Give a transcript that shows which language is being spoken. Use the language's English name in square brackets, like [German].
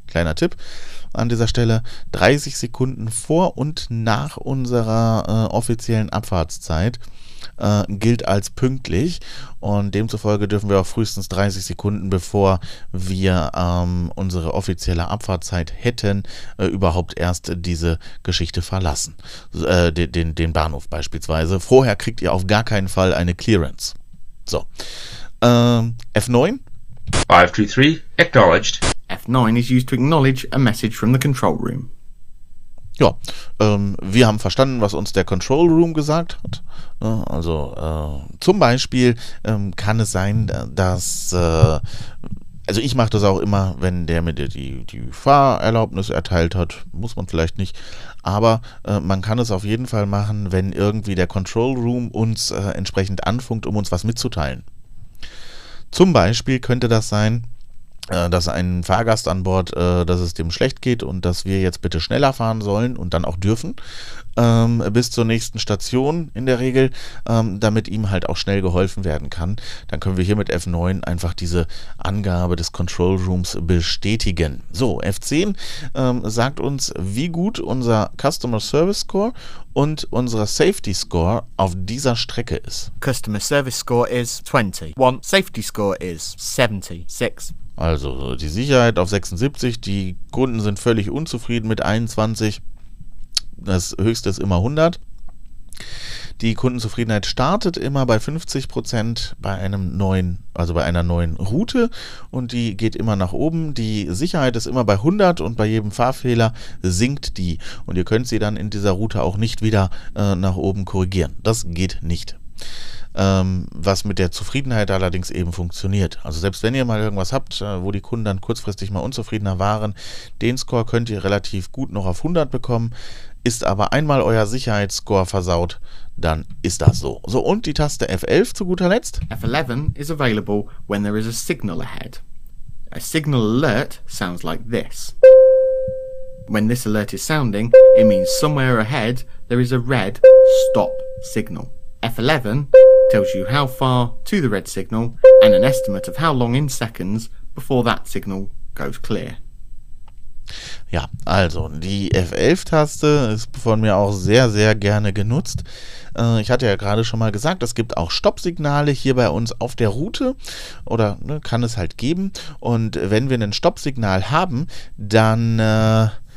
[German] Kleiner Tipp an dieser Stelle, 30 Sekunden vor und nach unserer offiziellen Abfahrtszeit gilt als pünktlich und demzufolge dürfen wir auch frühestens 30 Sekunden, bevor wir unsere offizielle Abfahrtzeit hätten, überhaupt erst diese Geschichte verlassen. Den Bahnhof beispielsweise. Vorher kriegt ihr auf gar keinen Fall eine Clearance. So. F9. [English] 523, acknowledged. F9 is used to acknowledge a message from the control room. [German] Ja, wir haben verstanden, was uns der Control Room gesagt hat. Also zum Beispiel kann es sein, dass, also ich mache das auch immer, wenn der mir die Fahrerlaubnis erteilt hat, muss man vielleicht nicht, aber man kann es auf jeden Fall machen, wenn irgendwie der Control Room uns entsprechend anfunkt, um uns was mitzuteilen. Zum Beispiel könnte das sein, dass ein Fahrgast an Bord, dass es dem schlecht geht und dass wir jetzt bitte schneller fahren sollen und dann auch dürfen, bis zur nächsten Station in der Regel, damit ihm halt auch schnell geholfen werden kann. Dann können wir hier mit F9 einfach diese Angabe des Control Rooms bestätigen. So, F10 sagt uns, wie gut unser Customer Service Score und unsere Safety Score auf dieser Strecke ist. [English] Customer Service Score is 20. One Safety Score is 76. [German] Also die Sicherheit auf 76, die Kunden sind völlig unzufrieden mit 21, das Höchste ist immer 100. Die Kundenzufriedenheit startet immer bei 50% bei einem neuen, also bei einer neuen Route, und die geht immer nach oben. Die Sicherheit ist immer bei 100 und bei jedem Fahrfehler sinkt die. Und ihr könnt sie dann in dieser Route auch nicht wieder nach oben korrigieren. Das geht nicht. Was mit der Zufriedenheit allerdings eben funktioniert. Also selbst wenn ihr mal irgendwas habt, wo die Kunden dann kurzfristig mal unzufriedener waren, den Score könnt ihr relativ gut noch auf 100 bekommen. Ist aber einmal euer Sicherheitsscore versaut, dann ist das so. So, und die Taste F11 zu guter Letzt. [English] F11 is available when there is a signal ahead. A signal alert sounds like this. When this alert is sounding, it means somewhere ahead there is a red stop signal. F11 tells you how far to the red signal and an estimate of how long in seconds before that signal goes clear. [German] Ja, also die F11-Taste ist von mir auch sehr, sehr gerne genutzt. Ich hatte ja gerade schon mal gesagt, es gibt auch Stoppsignale hier bei uns auf der Route, oder ne, kann es halt geben. Und wenn wir ein Stoppsignal haben, dann...